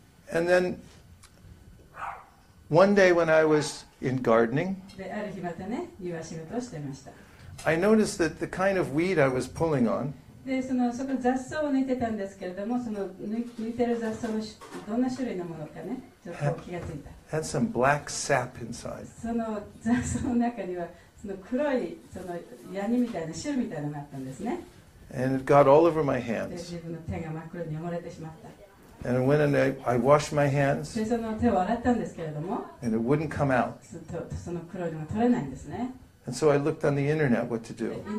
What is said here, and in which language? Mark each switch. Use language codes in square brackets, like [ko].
[en] And then one day when I was in gardening [ja] である日またね庭仕事をしていました [en] I noticed that the kind of weed I was pulling on [ja] でそのそこ雑草を抜いてたんですけれどもその抜いてる雑草のどんな種類のものかねちょっと気がついた [en] had some black sap inside [ja] その雑草の中にはその黒いそのヤニみたいな汁みたいなのがあったんですね [en] and it got all over my hands [ja] で自分の手が真っ黒に汚れてしまった [en] and I went and I washed my hands [ja] でその手を洗ったんですけれども [en] and it wouldn't come out [ja] その黒いのが取れないんですね [en] And so I looked on the internet what to do.